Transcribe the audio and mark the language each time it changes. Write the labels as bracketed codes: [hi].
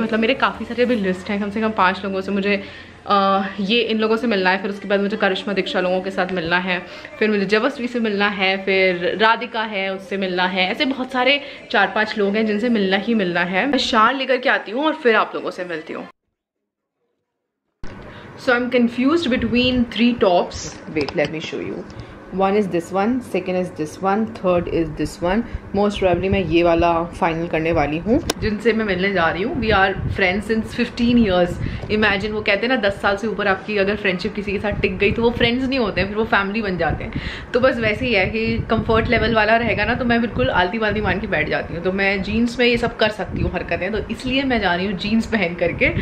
[hi] मतलब मेरे काफ़ी सारे अभी लिस्ट हैं, कम से कम 5 लोगों से मुझे ये इन लोगों से मिलना है, फिर उसके बाद मुझे करिश्मा दीक्षा लोगों के साथ मिलना है, फिर मुझे जबस्वी से मिलना है, फिर राधिका है उससे मिलना है, ऐसे बहुत सारे 4-5 लोग हैं जिनसे मिलना ही मिलना है. मैं शार लेकर के आती हूँ और फिर आप लोगों से मिलती हूँ. [en] So I'm confused between 3 tops. Wait, let me show you. One is this one, second is this one, third is this one. [hi] Most probably मैं ये वाला final करने वाली हूँ जिनसे मैं मिलने जा रही हूँ. [en] We are friends since 15 years. [hi] Imagine, वो कहते हैं ना 10 साल से ऊपर आपकी अगर friendship किसी के साथ टिक गई तो वो friends नहीं होते हैं, फिर वो family बन जाते हैं. तो बस वैसे ही है कि comfort level वाला रहेगा ना तो मैं बिल्कुल आलती बालती मान के बैठ जाती हूँ. तो मैं jeans में ये सब कर सकती हूँ हरकतें, तो इसलिए मैं जा रही हूँ jeans पहन करके.